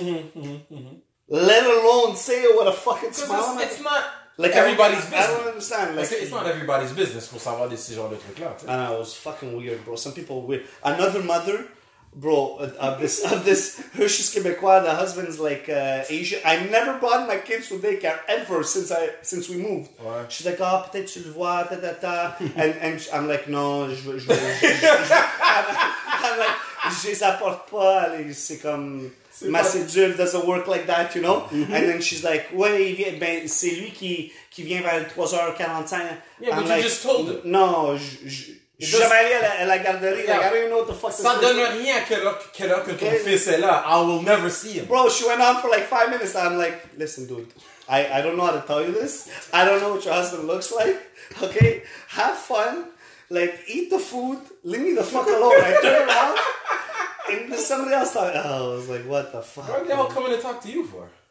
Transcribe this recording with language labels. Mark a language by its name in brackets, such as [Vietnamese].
[English] Let alone say it with a fucking smile. It's not... Like everybody's business. I don't understand. Like, it's not everybody's business [French] pour savoir de ce genre de trucs-là. [English] And I was fucking weird, bro. Some people are weird. Another mother, bro, of this Hershey's Quebecois, the husband's like Asian. I never brought my kids to daycare ever since we moved. [French] Ouais. [English] She's like, oh, [French] peut-être tu le vois, ta ta ta. [English] And I'm like, no, [French] je veux. [English] I'm like, [French] je les apporte pas. Allez, c'est comme. Ma cédule [English] doesn't work like that, you know? [French] Mm-hmm. [English] And then she's like, [French] ouais, viens, ben, c'est lui qui vient vers 3h45. [English] Yeah, but you just told him. [French] Non, je jamais allé à la garderie. [English] Yeah. Like, I don't even know what the fuck [French] ça donne rien à quel heure ton fils est là. [English] I will never see him. Bro, she went on for like 5 minutes. And I'm like, listen, dude, I don't know how to tell you this. I don't know what your husband looks like, okay? Have fun. Like, eat the food. Leave me the fuck alone. I turn around. And somebody else thought, oh, I was like, what the fuck? What are they all coming to talk to you for?